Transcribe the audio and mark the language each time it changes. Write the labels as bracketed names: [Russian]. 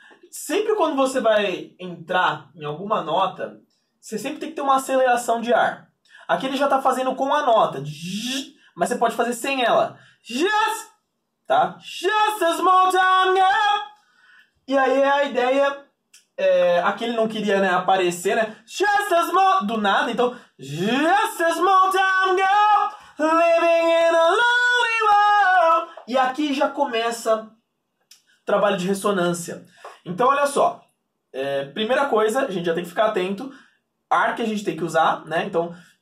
[Portuguese] Sempre quando você vai entrar em alguma nota, você sempre tem que ter uma aceleração de ar. Aqui ele já tá fazendo com a nota, mas você pode fazer sem ela. Tá? [English] Just a small town girl. [Portuguese] E aí a ideia é, aqui ele não queria, né, aparecer, né? [English] Just a small... [Portuguese] Do nada, então... [English] Just a small town girl living in a lonely world. [Portuguese] E aqui já começa o trabalho de ressonância. Então, olha só. É, primeira coisa, a gente já tem que ficar atento. Ar que a gente tem que usar, né? Então...